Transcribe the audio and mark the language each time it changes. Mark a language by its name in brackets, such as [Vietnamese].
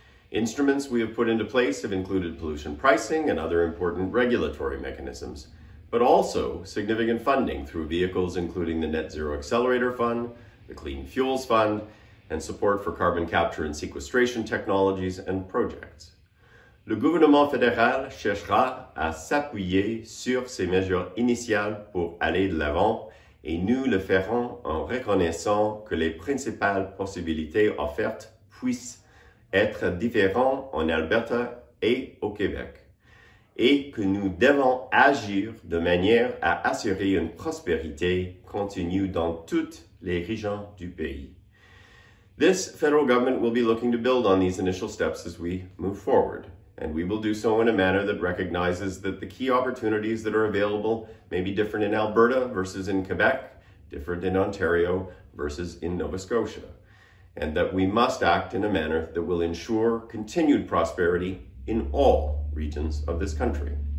[English] Instruments we have put into place have included pollution pricing and other important regulatory mechanisms, but also significant funding through vehicles including the Net Zero Accelerator Fund, the Clean Fuels Fund, and support for carbon capture and sequestration technologies and projects. [French] Le gouvernement fédéral cherchera à s'appuyer sur ces mesures initiales pour aller de l'avant, et nous le ferons en reconnaissant que les principales possibilités offertes puissent être différents en Alberta et au Québec, et que nous devons agir de manière à assurer une prospérité continue dans toutes les régions du pays. [English] This federal government will be looking to build on these initial steps as we move forward, and we will do so in a manner that recognizes that the key opportunities that are available may be different in Alberta versus in Quebec, different in Ontario versus in Nova Scotia, and that we must act in a manner that will ensure continued prosperity in all regions of this country.